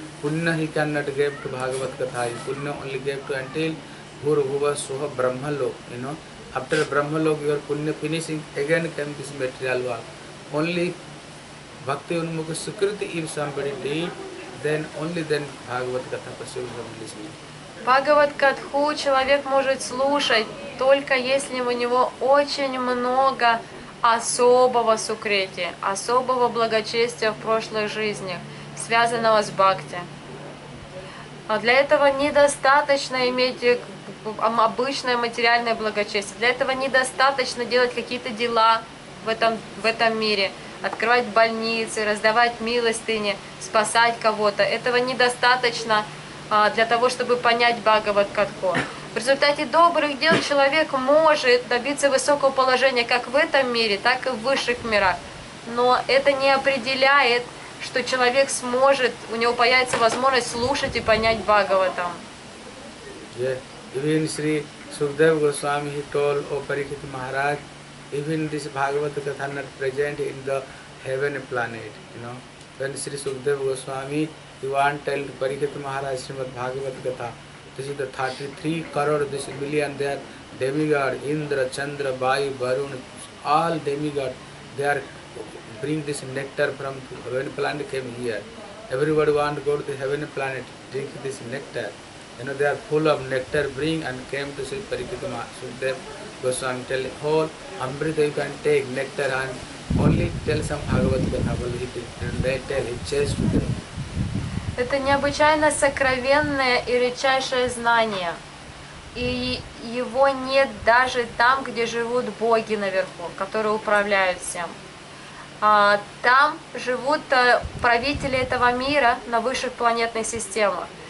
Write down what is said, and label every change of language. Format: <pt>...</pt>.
<en>Punya he cannot give to Bhagavata Katha. Punya only gave to until Bhurubhuva Soha Brahmalok, you know. After Brahmalok, your Punya finishing, again came this material work. Only Bhakti Unmukha Sukruti, if somebody did, then only then Bhagavata Katha pursued from listening.</en> <ru>Бхагават Катху человек может слушать, только если у него очень много особого сукрити, особого благочестия в прошлых жизнях, связанного с бхакти. А для этого недостаточно иметь обычное материальное благочестие, для этого недостаточно делать какие-то дела в этом мире, открывать больницы, раздавать милостыни, спасать кого-то. Этого недостаточно для того, чтобы понять Бхагават Катху. В результате добрых дел человек может добиться высокого положения как в этом мире, так и в высших мирах. Но это не определяет, что человек сможет, у него появится возможность слушать и понять Бхагаватам.</ru> <en>Even Sri Shukadev Goswami told, O Parikshit Maharaj, even this Bhagavat Katha is present in the heaven planet, you know. When Sri Shukadev Goswami, he want tell Parikshit Maharaj Srimad Bhagavat Katha, this is the 33 crore, this million, they are demigod, Indra, Chandra, Bayu, Varun, all demigod, they are bring this nectar from the heaven planet came here. Everybody want to go to the heaven planet, drink this nectar. You know, they are full of nectar, bring and came to see Parikshit Maharaj Srimad Goswami, tell whole Amrita you can take nectar and only tell some Bhagavat Katha, and they tell, he chased with them.</en> <ru>Это необычайно сокровенное и редчайшее знание. И его нет даже там, где живут боги наверху, которые управляют всем. Там живут правители этого мира на высших планетных системах.</ru>